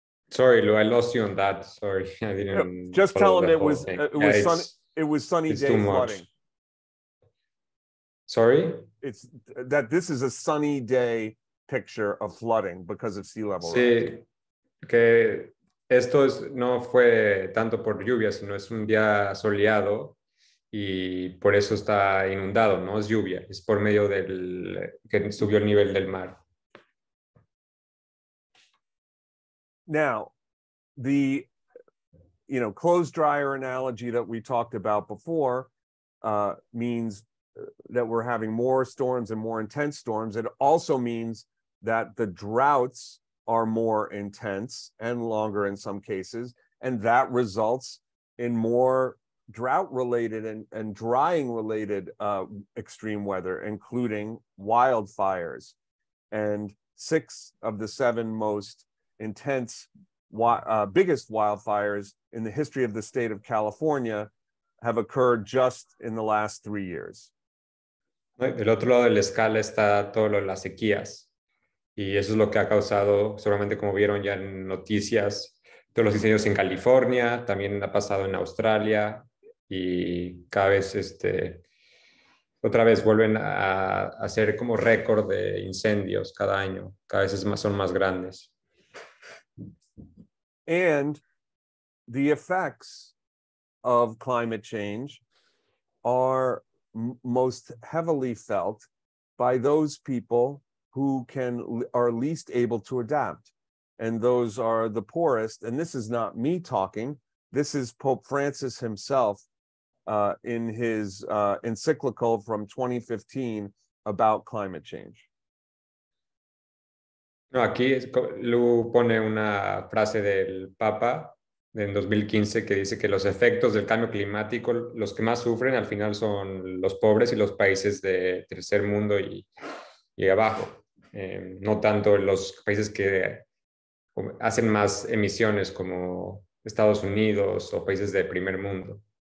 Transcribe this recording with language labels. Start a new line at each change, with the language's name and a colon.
English: Sorry, Lou, I lost you on that. Sorry, I didn't. Just tell him it was sunny day flooding. Sorry? It's that this is a sunny day picture of flooding because of sea level.
Spanish: Sí, que esto es, no fue tanto por lluvia, sino es un día soleado y por eso está inundado, no es lluvia, es por medio del que subió el nivel del mar.
English: Now, the, you know, clothes dryer analogy that we talked about before means that we're having more storms and more intense storms. It also means that the droughts are more intense and longer in some cases, and that results in more drought-related and drying-related extreme weather, including wildfires. And 6 of the 7 most intense, biggest wildfires in the history of the state of California have occurred just in the last 3 years.
Spanish: Del otro lado de la escala está todo lo de las sequías. Y eso es lo que ha causado, seguramente como vieron ya en noticias, todos los incendios en California, también ha pasado en Australia, y cada vez, otra vez vuelven a hacer como récord de incendios cada año. Cada vez son más grandes.
English: And the effects of climate change are most heavily felt by those people who are least able to adapt. And those are the poorest. And this is not me talking. This is Pope Francis himself in his encyclical from 2015 about climate change.
Spanish: No, aquí Lu pone una frase del Papa en 2015 que dice que los efectos del cambio climático, los que más sufren al final son los pobres y los países de tercer mundo y abajo. No tanto los países que hacen más emisiones como Estados Unidos o países de primer mundo.